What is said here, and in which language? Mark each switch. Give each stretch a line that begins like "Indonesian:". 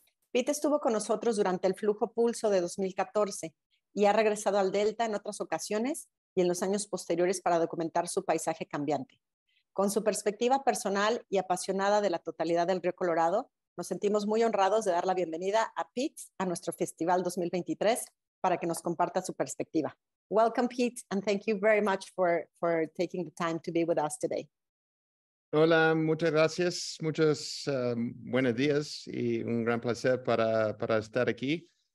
Spanish: Pete estuvo con nosotros durante el flujo pulso de 2014 y ha regresado al Delta en otras ocasiones y en los años posteriores para documentar su paisaje cambiante. Con su perspectiva personal y apasionada de la totalidad del río Colorado, nos sentimos muy honrados de dar la bienvenida a Pete a nuestro Festival 2023 para que nos comparta su perspectiva.
English: Welcome, Pete, and thank you very much for taking the time to be with us today.
Spanish: Hola, muchas gracias, muchos buenos días y un gran placer para estar aquí.